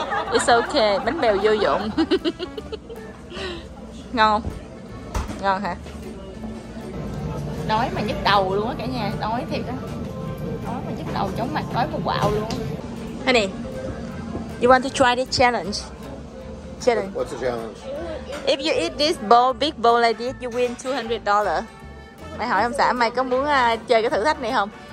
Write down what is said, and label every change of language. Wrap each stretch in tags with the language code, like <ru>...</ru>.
<en>It's okay,</en> <vi>bánh bèo vô dụng. Ngon. Ngon hả? Đói mà nhức đầu luôn á cả nhà. Đói thiệt á. Đói mà nhức đầu chóng mặt, đói mà quạo luôn.</vi> <en>Honey, you want to try this challenge? Challenge. What's the challenge? If you eat this bowl, big bowl like this, you win $200.</en> <vi>Mày hỏi ông xã mày có muốn chơi cái thử thách này không?</vi>